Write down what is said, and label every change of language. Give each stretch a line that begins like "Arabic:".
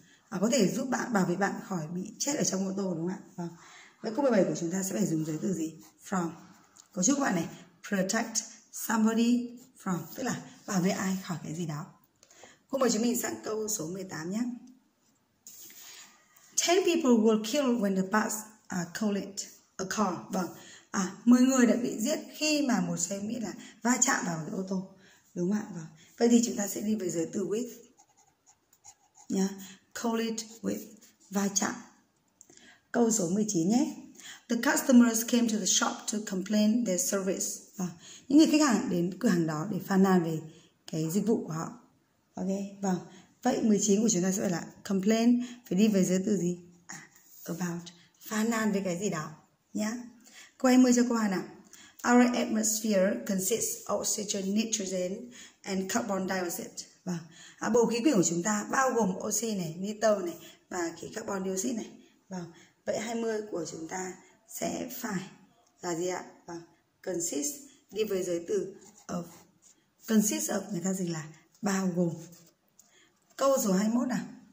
Vietnamese: À, có thể giúp bạn bảo vệ bạn khỏi bị chết ở trong ô tô, đúng không ạ? Vâng. Vậy câu 17 của chúng ta sẽ phải dùng giới từ gì? From. Cấu trúc của bạn này, protect somebody from, tức là bảo vệ ai khỏi cái gì đó. Cô mời chúng mình sang câu số 18 nhé.
English: 10 people were killed when the bus collided a car.
Vietnamese: Vâng. À, 10 người đã bị giết khi mà một xe buýt là va chạm vào cái ô tô. Đúng không ạ? Vâng. Vậy thì chúng ta sẽ đi về giới từ with. Nhá. Collided with, va chạm. Câu số 19 nhé.
English: The customers came to the shop to complain their service.
Vietnamese: À, những người khách hàng đến cửa hàng đó để phàn nàn về cái dịch vụ của họ. Ok, vâng. Vậy 19 của chúng ta sẽ là complain, phải đi về giới từ gì? À, about, phàn nàn về cái gì đó. Nhá. Câu 20 cho cô Hà nào.
English: Our atmosphere consists of oxygen, nitrogen and carbon dioxide.
Vietnamese: Vâng. À, bầu khí quyển của chúng ta bao gồm oxy này, nitơ này và khí carbon dioxide này. Vâng. Vậy 20 của chúng ta sẽ phải là gì ạ? Vâng. Consist đi với giới từ of. Consist of người ta dịch là bao gồm. Câu số 21 nào.